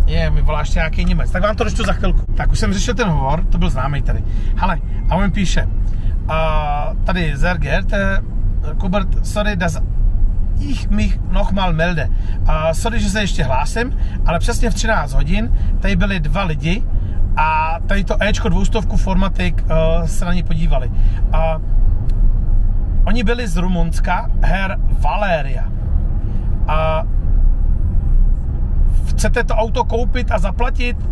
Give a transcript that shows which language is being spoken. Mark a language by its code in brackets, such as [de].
[cs] Mi volá ještě nějaký Němec. Tak vám to dočtu za chvilku. Tak už jsem řešil ten hovor, to byl známý tady. Hele, a on mi píše. Tady [de] Sehr geehrte Kubert, sorry, das ich mich noch mal melde. [cs] Sorry, že se ještě hlásím, ale přesně v 13 hodin tady byli 2 lidi a tady to Ečko 200 Formatic se na ně podívali. Oni byli z Rumunska, Herr Valeria. A chcete to auto koupit a zaplatit?